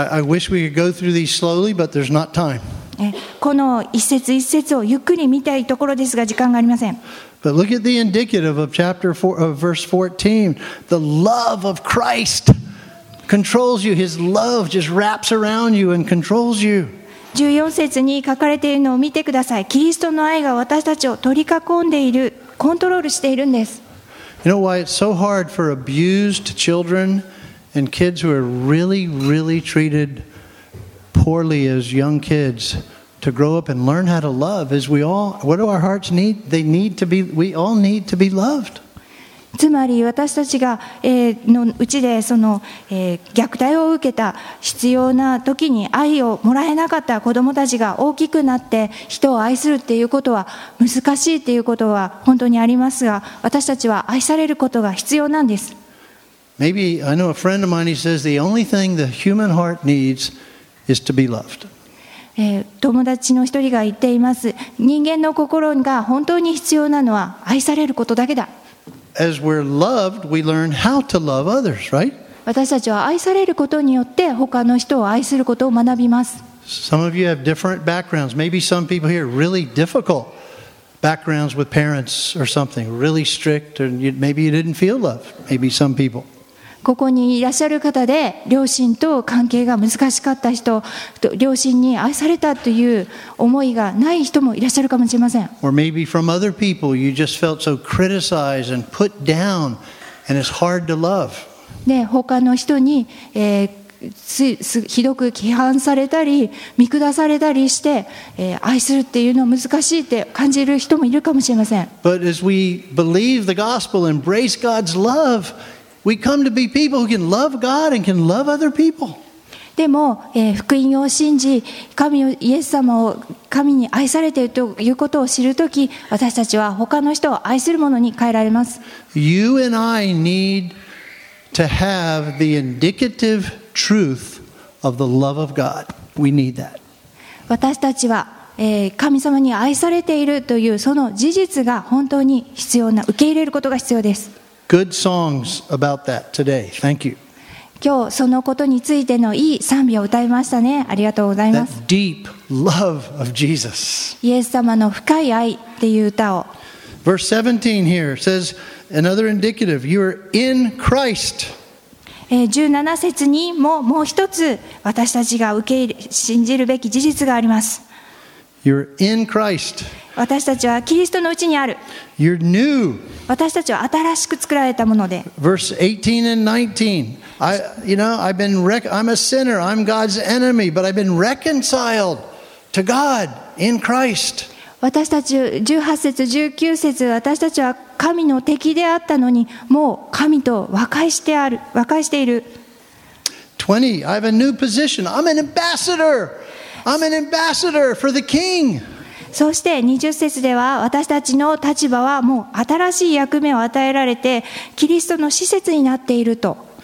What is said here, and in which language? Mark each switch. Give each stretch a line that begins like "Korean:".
English: I wish we could go through these slowly, but there's not time.
Japanese: この一節一節をゆっくり見たいところですが時間がありません。
English: But look at the indicative of chapter four of verse 14. The love of Christ controls you. His love just wraps around you and controls you.
Japanese: 14節に書かれているのを見てください。キリストの愛が私たちを取り囲んでいる、コントロールしているんです。
English: You know why it's so hard for abused children and kids who are really, really treated poorly as young kids to grow up and learn how to love? Is we all, what do our hearts need? They need to be, we all need to be loved.
Japanese: つまり私たちが、のうちでその、虐待を受けた必要な時に愛をもらえなかった子どもたちが大きくなって人を愛するっていうことは難しいっていうことは本当にありますが私たちは愛されることが必要なんです
English: Maybe I know a friend of mine who says the only thing the human heart needs is to be loved.
Japanese: 友達の一人が言っています人間の心が本当に必要なのは愛されることだけだ
English: As we're loved, we learn how to love others, right?
Japanese: 私たちは愛されることによって他の人を愛することを学びます。
English: Some of you have different backgrounds. Maybe some people here really difficult backgrounds with parents or something, really strict, or maybe you didn't feel love. Maybe some people.
Japanese: ここにいらっしゃる方で両親と関係が難しかった人両親に愛されたという思いがない人もいらっしゃるかもしれません
English: Or maybe from other people, you just felt so criticized and put down, and it's hard to love.
Japanese: で他の人に、ひどく批判されたり見下されたりして、愛するっていうのは難しいって感じる人もいるかもしれません
English: But as we believe the gospel, embrace God's love,We come to be people who can love God and can love other people.
Japanese: でも、福音を信じ、神をイエス様を神に愛されているということを知るとき、私たちは他の人を愛するものに変えられます。
English: You and I need to have the indicative truth of the love of God. We need that.
Japanese: 私たちは、神様に愛されているというその事実が本当に必要な、受け入れることが必要です。
English: Good songs about that today. Thank you.
Japanese: 今日そのことについてのいい賛美を歌いましたね。ありがとうございます。
English: That deep love of Jesus.
Japanese: イエス様の深い愛っていう歌を。
English: Verse 17 here says another indicative. You are in Christ.
Japanese: 17節にももう一つ私たちが受け入れ信じるべき事実があります。
English: You're in Christ.
Japanese: 私たちはキリストのうちにある。
English: You're new.
Japanese: 私たちは新しく作られたもので。
English: Verse 18 and 19. I'm a sinner. I'm God's enemy, but I've been reconciled to God in Christ.
Japanese: 私たち18節19節私たちは神の敵であったのにもう神と和解してある和解している。
English: 20. I have a new position. I'm an ambassador. I'm an ambassador for the King.
Japanese: そして20節では私たちの立場はもう新しい役目を与えられてキリストの使節になっていると。